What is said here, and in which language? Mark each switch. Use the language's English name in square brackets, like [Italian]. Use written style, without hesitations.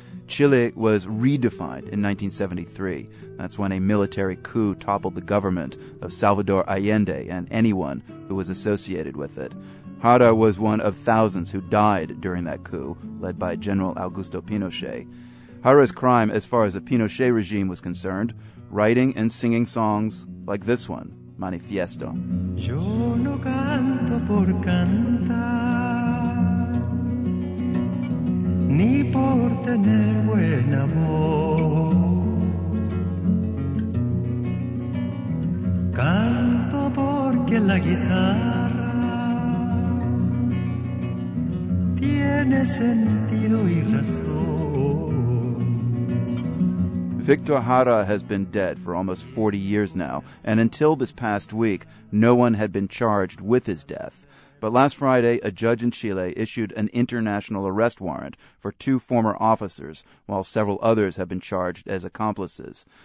[English] Chile was redefined in 1973. That's when a military coup toppled the government of Salvador Allende and anyone who was associated with it. Jara was one of thousands who died during that coup, led by General Augusto Pinochet. Jara's crime, as far as the Pinochet regime was concerned, writing and singing songs like this one, Manifiesto. [Spanish] Yo no canto por cantar, ni por tener buen voz. Canto porque la guitarra tiene sentido y razón. [English] Victor Jara has been dead for almost 40 years now, and until this past week, no one had been charged with his death. But last Friday, a judge in Chile issued an international arrest warrant for two former officers, while several others have been charged as accomplices.